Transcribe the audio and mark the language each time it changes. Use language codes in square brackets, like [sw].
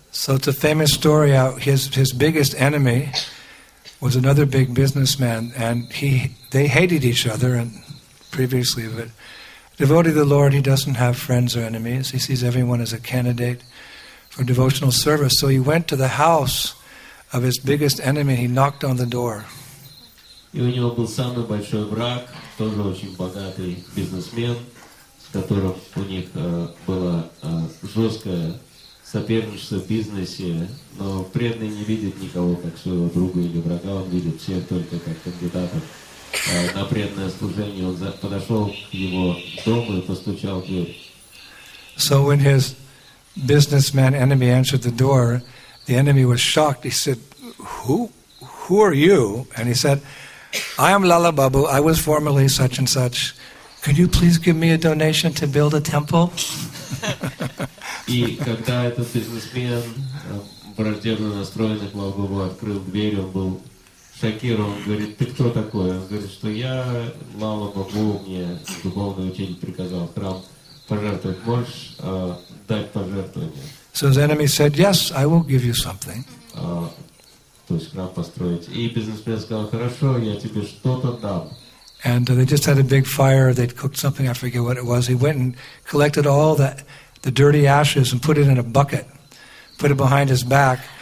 [en] So it's a famous story. His biggest enemy was another big businessman, and they hated each other and previously, but devotee of the Lord, he doesn't have friends or enemies. He sees everyone as a candidate for devotional service. So he went to the house of his biggest enemy. He knocked on the door. [ru] И у него был самый большой враг, тоже очень богатый бизнесмен, с которым у них была жесткая соперничество в бизнесе, но преданный не видит никого как своего друга или врага, он видит всех только как кандидатов на преданное служение. Он подошел к его дому и постучал в дверь. [en] So when his businessman enemy answered the door, the enemy was shocked. He said, who are you? And he said, I am Lala Babu. I was formerly such and such. Could you please give me a donation to build a temple? [ru] И когда этот бизнесмен, враждебно настроенный к Лала Бабу, открыл дверь, он был шокирован, говорит, ты кто такой? Он говорит, что я Лала Бабу, мне духовный учитель приказал храм пожертвовать. Можешь дать пожертвование? [en] So his enemy said, yes, I will give you something. And they just had a big fire. They cooked something. I forget what it was. He went and collected all the dirty ashes and put it in a bucket, put it behind his back.